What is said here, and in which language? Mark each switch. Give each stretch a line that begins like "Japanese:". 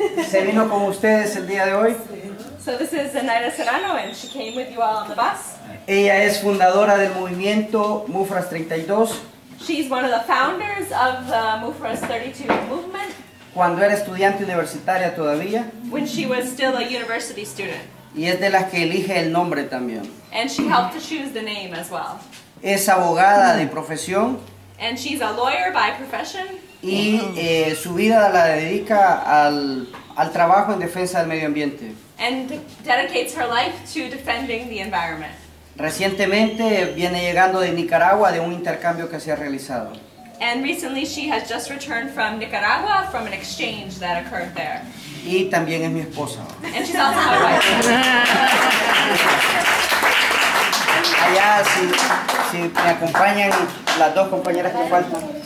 Spanish: Se vino con ustedes el día de hoy.
English: So this is Zenaida Serrano and she came with you all on the bus.
Spanish: Ella es fundadora del movimiento MUFRAS-32.
English: She's one of the founders of the MUFRAS-32 movement.
Spanish: Cuando era estudiante universitaria todavía.
English: When she was still a university student.
Spanish: Y es de las que elige el nombre también.
English: And she helped to choose the name as well.
Spanish: Es abogada de profesión.
English: And she's a lawyer by profession.
Spanish: Y su vida la dedica al trabajo en defensa del medio ambiente.
English: And dedicates her life to defending the environment.
Spanish: Recientemente viene llegando de Nicaragua de un intercambio que se ha realizado.
English: And recently she has just returned from Nicaragua from an exchange that occurred there.
Spanish: Y también es mi esposa.
English: And she's also my wife.
Spanish: Allá, si me acompañan las dos compañeras que faltan.